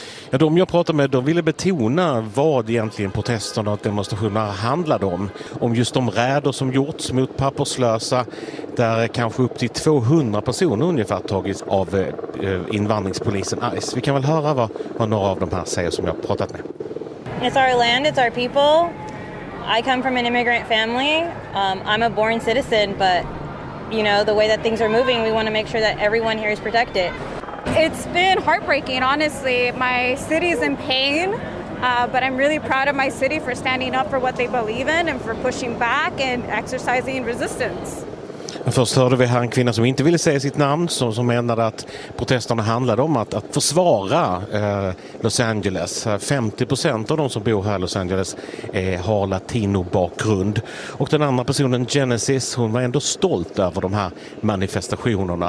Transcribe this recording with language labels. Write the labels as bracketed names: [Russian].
[Swedish] Ja, de jag pratade med, de ville betona vad egentligen protesterna och demonstrationerna handlade om. Om just de räder som gjorts mot papperslösa, där kanske upp till 200 personer ungefär tagits av invandringspolisen ICE. Vi kan väl höra vad några av de här säger som jag har pratat med. [English] It's our land, it's our people. I come from an immigrant family. I'm a born citizen, but you know, the way that things are moving, we want to make sure that everyone here is protected. It's been heartbreaking, honestly. My city's in pain, but I'm really proud of my city for standing up for what they believe in and for pushing back and exercising resistance. [Swedish] Först hörde vi här en kvinna som inte ville säga sitt namn, som menade att protesterna handlade om att försvara Los Angeles. 50% av de som bor här i Los Angeles har latino-bakgrund. Och den andra personen, Genesis, hon var ändå stolt över de här manifestationerna.